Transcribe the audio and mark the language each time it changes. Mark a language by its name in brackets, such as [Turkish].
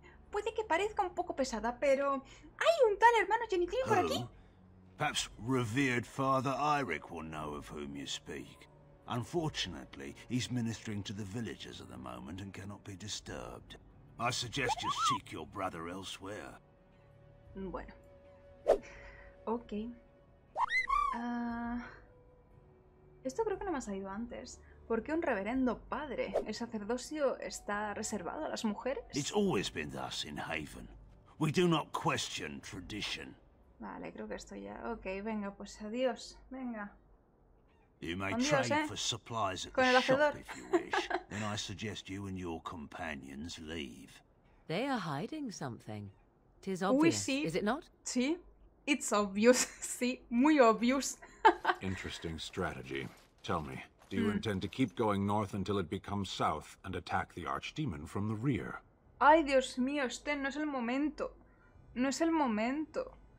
[Spanish] Puede que parezca un poco pesada, pero hay un tal hermano Genitivo por aquí. [English] Perhaps revered Father Eirik will know of whom you speak. Unfortunately, he's ministering to the villagers at the moment and cannot be disturbed. I suggest you seek your brother elsewhere. [Spanish] Bueno. Ok. Esto creo que no me ha salido antes. ¿Por qué un reverendo padre? ¿El sacerdocio está reservado a las mujeres? [English] It's always been thus in Haven. We do not question tradition. [Spanish] Vale, creo que estoy ya. Ok, venga, pues adiós. Venga. [English] You may trade for supplies at the shop if you wish. Then I suggest you and your companions leave. They are hiding something. Tis obvious, [Spanish] sí. [English] Is it not? [Spanish] Sí. [English] It's obvious. [Spanish] Sí, muy obvious. [English] Interesting strategy. Tell me, do you intend to keep going north until it becomes south and attack the archdemon from the rear? [Spanish] Ay, Dios mío, Sten, no es el momento. No es el momento.